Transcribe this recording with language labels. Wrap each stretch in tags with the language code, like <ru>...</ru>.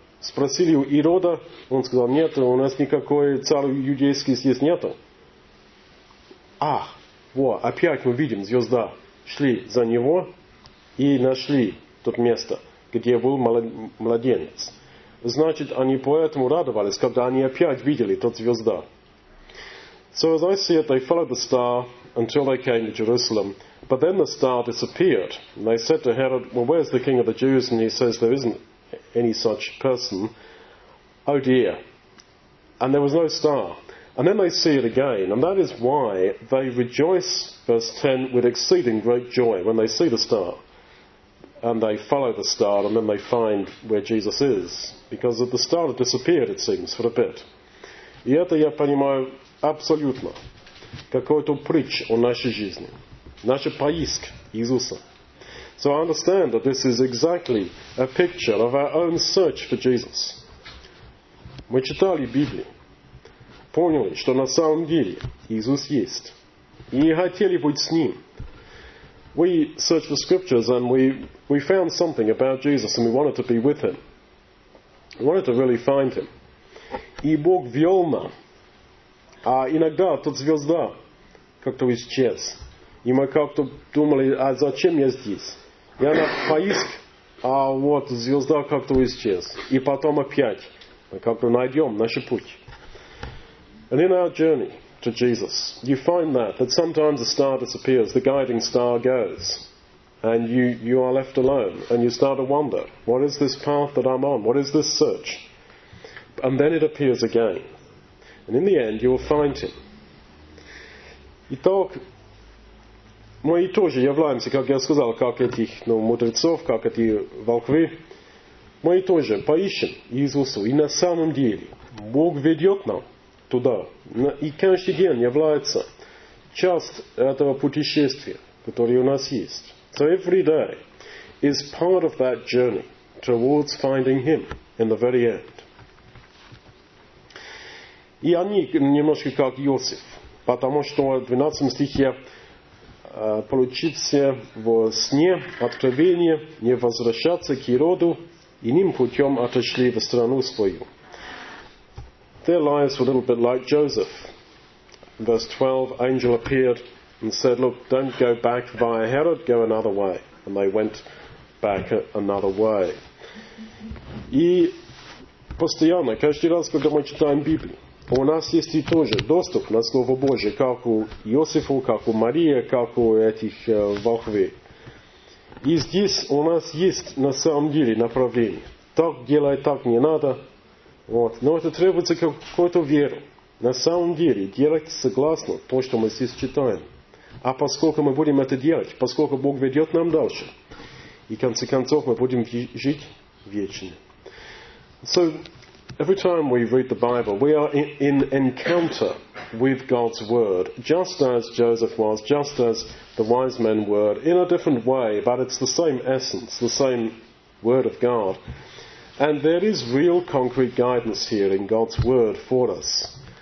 <ru>Спросили у Ирода, он сказал, нет, у нас никакой царь иудейский здесь нету. Ах, вот, опять мы видим звезда. Шли за него и нашли то место, где был младенец. Значит, они поэтому радовались, когда они опять видели тот звезда.</ru> <en>So as I see it, they followed the star until they came to Jerusalem. But then the star disappeared. And they said to Herod, well, where's the king of the Jews? And he says, there isn't any such person. Oh dear. And there was no star. And then they see it again. And that is why they rejoice, verse 10, with exceeding great joy when they see the star. And they follow the star, and then they find where Jesus is. Because the star had disappeared, it seems, for a bit.</en> <ru>И это я понимаю абсолютно. Какой-то притч о нашей жизни. Наш поиск Иисуса.</ru> <en>So I understand that this is exactly a picture of our own search for Jesus.</en> <ru>Мы читали Библию, поняли, что на самом деле Иисус есть. И хотели быть с Ним.</ru> <en>We searched the scriptures and we found something about Jesus and we wanted to be with Him. We wanted to really find Him.</en> <ru>И Бог вел нас. А иногда тот звезда как-то исчез. И мы как-то думали, а зачем я здесь? Я на поиск, а вот звезда как-то исчез. И потом опять мы как-то найдем наш путь.</ru> <en>And in our journey to Jesus, you find that sometimes a star disappears, the guiding star goes. And you are left alone. And you start to wonder, what is this path that I'm on? What is this search? And then it appears again. And in the end, you will find Him.</en> <ru>Итак, мы тоже являемся, как я сказал, как этих мудрецов, как эти волхвы. Мы тоже поищем Иисуса. И на самом деле, Бог ведет нам туда. И каждый день является часть этого путешествия, которое у нас есть.</ru> <en>So every day is part of that journey towards finding Him in the very end.</en> <ru>И они немножко как Иосиф, потому что в 12 стихе получится во сне откровение не возвращаться к Ироду, иным путем отошли в страну свою.</ru> <en>Their lives were a little bit like Joseph. Verse 12, angel appeared and said, look, don't go back via Herod, go another way. And they went back another way.</en> <ru>И постоянно, каждый раз, когда мы читаем Библию, у нас есть и тоже доступ на Слово Божие, как у Иосифа, как у Марии, как у этих волхвы. И здесь у нас есть на самом деле направление. Так делай, так не надо. Вот. Но это требуется какой-то веры. На самом деле делать согласно то, что мы здесь читаем. А поскольку мы будем это делать, поскольку Бог ведет нам дальше, и в конце концов мы будем жить вечны.</ru> <en>So, every time we read the Bible, we are in encounter with God's Word, just as Joseph was, just as the wise men were, in a different way, but it's the same essence, the same Word of God. And there is real concrete guidance here in God's Word for us.</en>